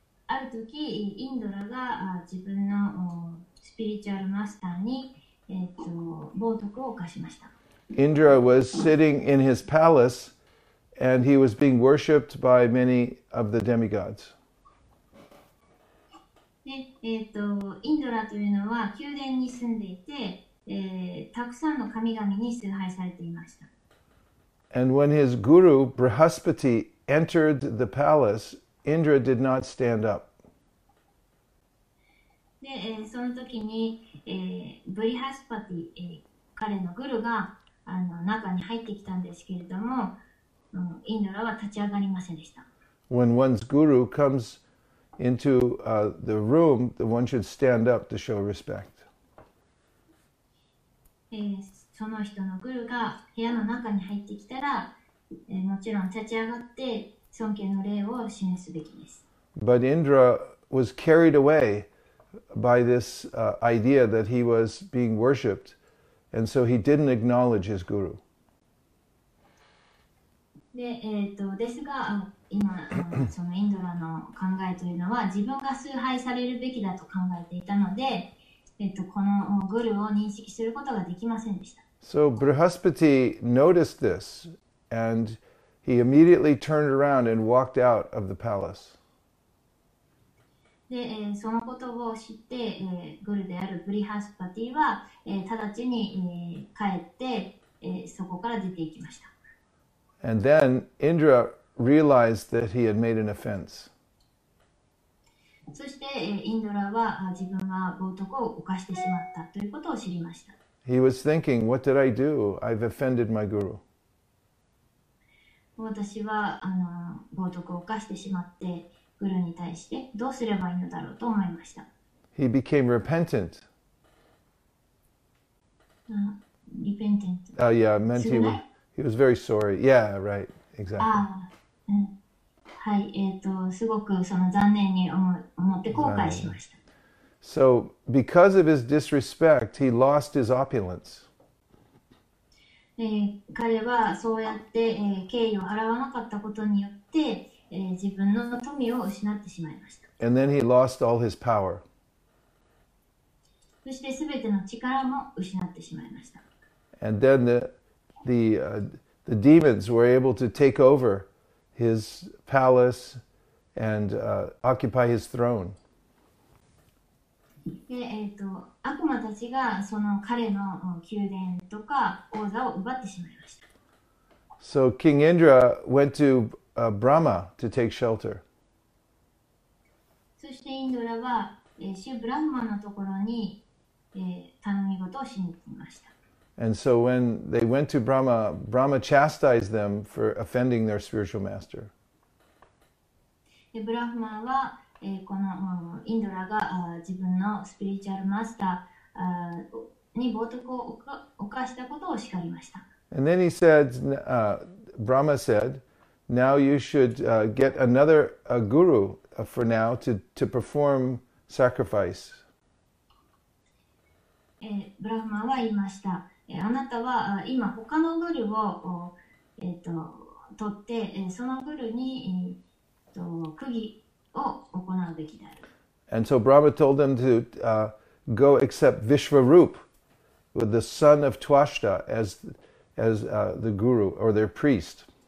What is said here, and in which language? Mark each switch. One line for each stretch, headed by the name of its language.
Japanese: ある時、インドラが自分のスピリチュアルマスターに冒涜を犯しました。
English: Indra was sitting in his palace and he was being worshipped by many of the demigods.
Japanese: インドラというのは宮殿に住んでいて、たくさんの神々に崇拝されていました。
English: And when his guru Brihaspati entered the palace, Indra did not stand up.
Japanese: で、その時に、ブリハスパティ、彼のグルが中に入ってきたんですけれども、インドラは立ち上がりませんでした。
English: When one's guru comes into the room, the one should stand up to show respect.
Japanese: その人のグルが部屋の中に入ってきたら、もちろん立ち上がって尊敬の礼を示すべきです。
English: But Indra was carried away by this idea that he was being worshipped, and so he didn't acknowledge his guru.
Japanese: ですが、今そのインドラの考えというのは自分が崇拝されるべきだと考えていたので。このグルを認識することができませんでした。
English: So Brihaspati noticed this, and he immediately turned around and walked out of the palace.
Japanese: で、そのことを知って、グルであるブリハスパティは、直ちに、帰って、そこから出て行きました。
English: And then Indra realized that he had made an offense.
Japanese: そして、インドラは自分は冒涜を犯してしまったということを知りました。
English: He was thinking, what did I do? I've offended my guru.
Japanese: 私は冒涜を犯してしまって、グルに対してどうすればいいのだろうと思いました。
English: He became repentant. Repentant. Yeah, meant he was very sorry. Yeah, right, exactly.
Japanese: はい、すごくその残念に思って後悔しました。
English: Right. So, because of his disrespect, he lost his opulence.
Japanese: 彼はそうやって、敬意を払わなかったことによって、自分の富を失ってしまいました。
English: And then he lost all his power.
Japanese: そして全ての力も失ってしまいました。
English: And then the demons were able to take over. His palace and occupy his throne.
Japanese: で、悪魔たちがその彼の宮殿とか王座を奪ってしまいました。
English: So King Indra went to Brahma to take shelter.
Japanese: そしてインドラは、シュブラフマのところに、頼み事をしに来ました。
English: And so when they went to Brahma, Brahma chastised them for offending their spiritual master.
Japanese: ブラフマは、このインドラが自分のスピリチュアルマスターに冒涜を犯したことを叱りました。
English: And then he said, Brahma said, now you should get another guru for now to perform sacrifice.
Japanese: ブラフマは言いました。あなたは今他のグルを取ってそのグルに釘を行うべきである。
English: And so Brahma told them to go accept Vishwarup with the son of Twashta as the guru or their priest.